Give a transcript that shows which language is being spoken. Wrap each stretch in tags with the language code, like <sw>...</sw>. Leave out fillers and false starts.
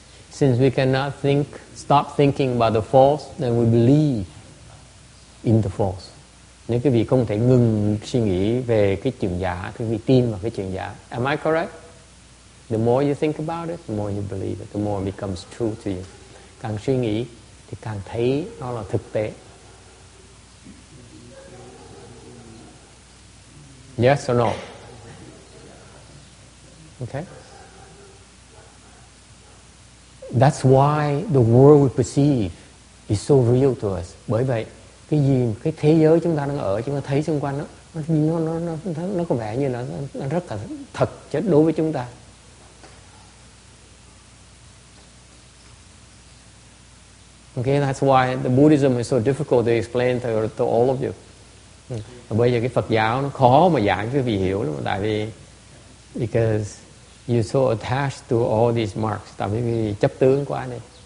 <en>Since we cannot stop thinking about the false, then we believe in the false.</en> <vi>Nếu quý vị không thể ngừng suy nghĩ về cái chuyện giả, quý vị tin vào cái chuyện giả.</vi> <en>Am I correct? The more you think about it, the more you believe it, the more it becomes true to you.</en> <vi>Càng suy nghĩ thì càng thấy nó là thực tế.</vi> <en>Yes or no? Okay? That's why the world we perceive is so real to us.</en> <vi>Bởi vậy, cái gì, cái thế giới chúng ta đang ở, chúng ta thấy xung quanh đó, nó có vẻ như là nó rất là thật chất đối với chúng ta.</vi> <en>Okay, that's why the Buddhism is so difficult to explain to all of you.</en> <vi>Bây giờ cái Phật giáo nó khó mà giảng cho quý vị hiểu lắm, tại vì</vi> <en>because you're so attached to all these marks,</en> <vi>tại vì chấp tướng quá nên.</vi>